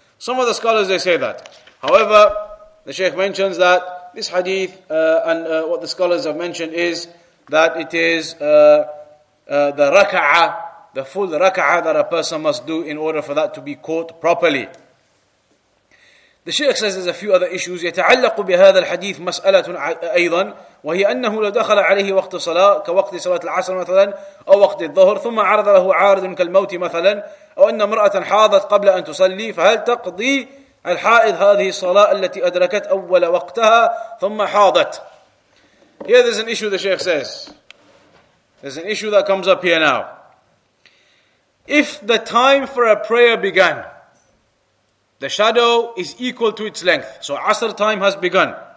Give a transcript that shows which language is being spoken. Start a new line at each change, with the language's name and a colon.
English: Some of the scholars, they say that. However, the Shaykh mentions that this hadith what the scholars have mentioned is that it is the raka'ah, the full raka'ah that a person must do in order for that to be caught properly. The Shaykh says there's a few other issues.
Arabic: يَتَعَلَّقُ بِهَذَا الْحَدِيثِ مَسْأَلَةٌ أَيْضًا وَهِيَ أَنَّهُ لَدَخَلَ عَلَيْهِ وَقْتِ صَلَاةٍ كَوَقْتِ صَلَاةِ الْعَصْرِ مَثَلًا أو وَقْتِ الظَّهْرِ ثُمَّ عَرَضَ لَهُ عَارِضٌ كَالْمَوْتِ مَثَلًا أو أن امرأة حاضت قبل أن تصلي فهل تقضي الحائض هذه الصلاة التي أدركت أول وقتها ثم حاضت.
English: Here there's an issue, the Shaykh says. There's an issue that comes up here now. If the time for a prayer began, the shadow is equal to its length, so Asr time has begun.